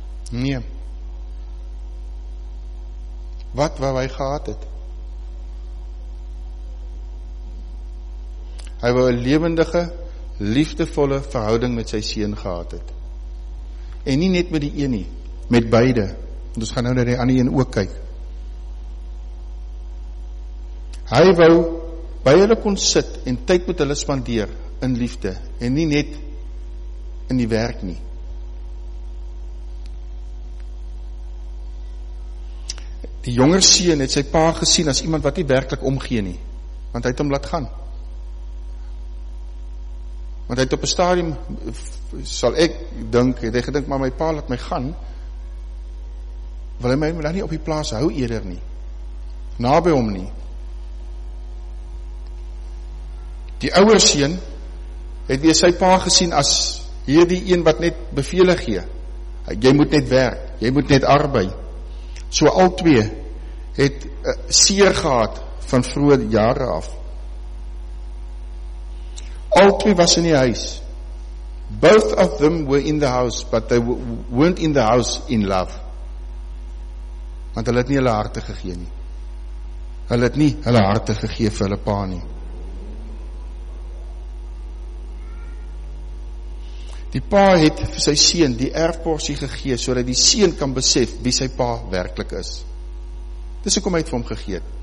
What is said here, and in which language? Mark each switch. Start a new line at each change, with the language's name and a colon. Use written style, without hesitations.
Afrikaans: Nee. Wat wou hy gehad het? Hy wou 'n lewendige, liefdevolle verhouding met sy seun gehad het. En nie net met die een nie, met beide. Want ons gaan nou na die ander een ook kyk. Hy wou by hulle kon sit en tyd met hulle spandeer in liefde en nie net in die werk nie. Die jonger seun het sy pa gesien as iemand wat nie werklik omgee nie, want hy het hom laat gaan. Want hy het op 'n stadium, sal ek dink, het hy gedink, maar my pa laat my gaan, wil hy my dan nie op die plaas hou eerder nie, naby hom nie. Die ouer seun het weer sy pa gesien as hierdie een wat net bevele gee. Jy moet net werk, jy moet net arbei. So al twee het seer gehad van vroeë jare af.
English: All three was
Afrikaans: in die huis.
English: Both of them were in the house, but they weren't in the house in love.
Afrikaans: Want hulle het nie hulle harte gegee nie. Hulle het nie hulle harte gegee vir hulle pa nie. Die pa het vir sy seun die erfporsie gegee, sodat die seun kan besef wie sy pa werklik is. Dis hoekom hy het vir hom gegee.